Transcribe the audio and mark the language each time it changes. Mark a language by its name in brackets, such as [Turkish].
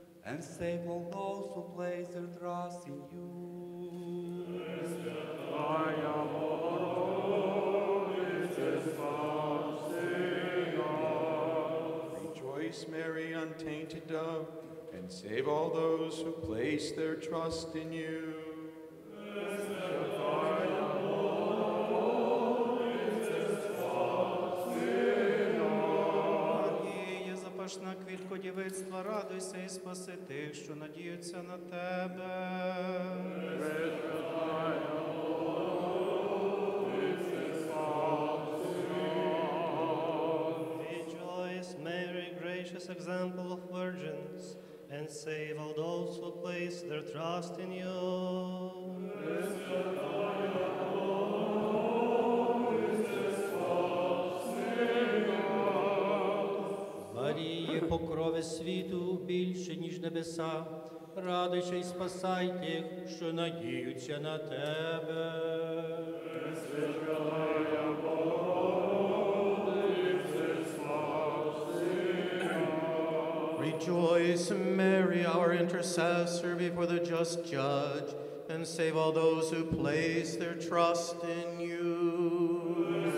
[English] And save all those who place their trust in you. [Russian] Святая Богородице, спаси нас. [English] Rejoice, Mary, untainted dove, and save all those who place their trust in you. [Russian] Святая Богородице, спаси нас. [Ukrainian] Марія, запашна квітко дівицтва, радуйся і спаси тих, що надіються на тебе. [Russian] Святая Богородице, спаси нас. [English] Rejoice, Mary, gracious example of virgins, and save all those who place their trust in you. [Russian] Святая Богородице, спаси нас. [Ukrainian] Марії, покрови світу, більше, ніж небеса, радуйся і спасай тих, що надіються на тебе. [Russian] Святая Богородице, спаси нас. [English] Rejoice, Mary, our intercessor before the just judge, and save all those who place their trust in you.